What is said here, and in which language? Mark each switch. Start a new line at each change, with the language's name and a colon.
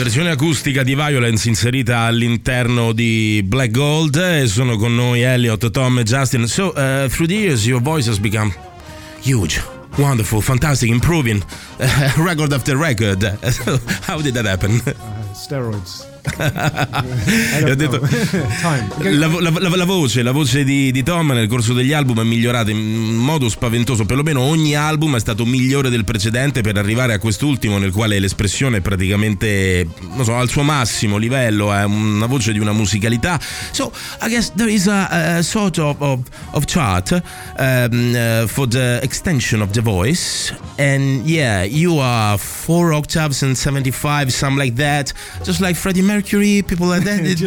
Italian: acustica di Violence inserita all'interno di Black Gold. Sono con noi Elliot, Tom e Justin.
English: So through the years your voice has become huge, wonderful, fantastic, improving record after record. How did that happen? Steroids.
Italian: Ho detto, la voce di Tom nel corso degli album è migliorata in modo spaventoso, perlomeno ogni album è stato migliore del precedente per arrivare a quest'ultimo, nel quale l'espressione è praticamente, non so, al suo massimo livello, è una voce di una musicalità.
English: So I guess there is a sort of chart for the extension of the voice, and yeah, you are 4 octaves and 75, something like that, just like Freddie Mercury, people like that.